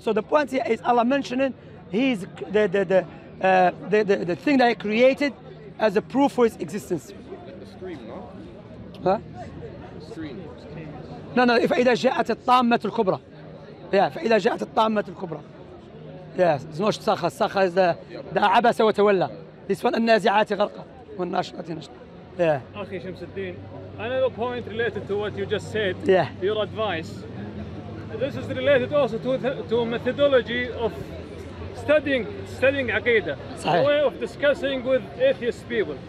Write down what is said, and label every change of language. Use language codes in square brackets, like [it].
[en] So the point here is Allah mentioning his the thing that he created as a proof for his existence. Huh? No, no, [ar] فإذا جاءت الطامة الكبرى. Yeah, فإذا جاءت الطامة الكبرى. [en] Yes, it's not الصخرة. الصخرة is the [ar] عبس وتولى. [en] This one, [ar] النازعات غرقا. والناشرات نشطا. Yeah. [en] أخي شمس الدين, another point related to what you just said, yeah, your advice. This is related also to a methodology of studying aqeedah, [ar] صحيح. [en] A way of discussing with atheist people.